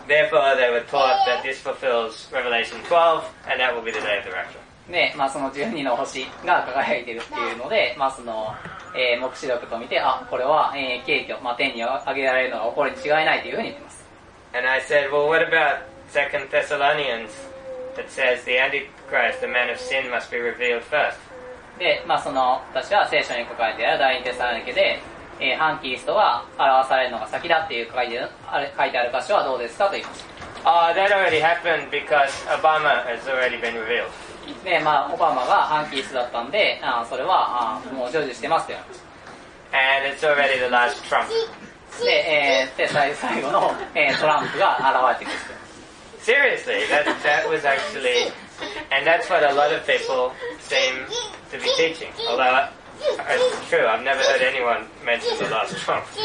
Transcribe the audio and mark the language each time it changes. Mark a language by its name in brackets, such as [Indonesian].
[English] Therefore, they were taught that this fulfills Revelation 12, and that will be the day of the rapture. [Japanese] で、まあ、その12の星が輝いているっていうので、まあ、その、目視録と見て、あ、これは、景挙、まあ、天に挙げられるのが起こるに違いないというふうに言っています。 [English] And I said, well, what about 2 Thessalonians that says the Antichrist, the man of sin, must be revealed first? [Japanese] で、まあ、その、私は聖書に書かれている第二テサロニケで、反キリストが表されるのが先だっていう書いてある箇所はどうですかと言いました。 [English] Ah, that already happened because Obama has already been revealed. [Japanese] で、まあ、オバマが反キリストだったんで、それは、もう成就してますと言いました。 [English] And it's already the last Trump. [Japanese] で、最後の、トランプが現れてきました。 [English] Seriously, that was actually, and that's what a lot of people seem to be teaching. Although, it's true, I've never heard anyone mention the last Trump.